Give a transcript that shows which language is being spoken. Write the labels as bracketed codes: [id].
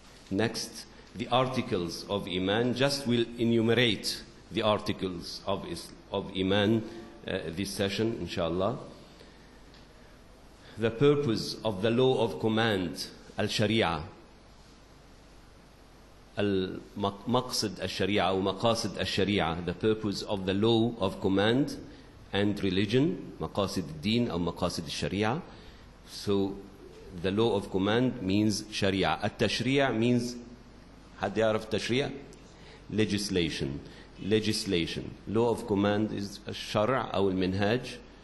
[en] Next, the articles of Iman. Just will enumerate the articles of Iman this session, inshallah. The purpose of the law of command, al-Sharia. [ar] المقصد الشريعة أو مقاصد الشريعة. [en] The purpose of the law of command and religion. [ar] مقاصد الدين أو مقاصد الشريعة. [en] So the law of command means شريعة. [ar] التشريع means, حد يعرف التشريع؟ [en] Legislation. Legislation. Law of command is [ar] الشرع أو المنهاج.